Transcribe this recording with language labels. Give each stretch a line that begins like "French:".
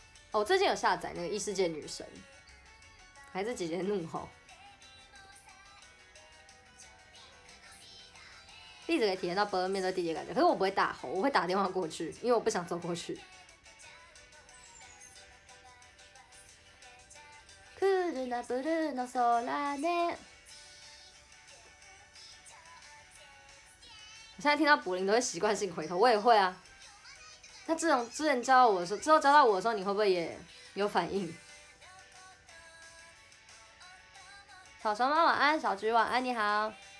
Chinese: 哦，我最近有下载那个异世界女神，还是姐姐怒吼。一直可以体验到伯恩面对弟弟的感觉，可是我不会大吼，我会打电话过去，因为我不想走过去。
Japanese: クールなブルーの空ね。
Chinese: 我现在听到柏林都会习惯性回头，我也会啊。那这种之前教我的时候，之后教到我的时候，你会不会也有反应？小熊猫晚安，小菊晚安，你好。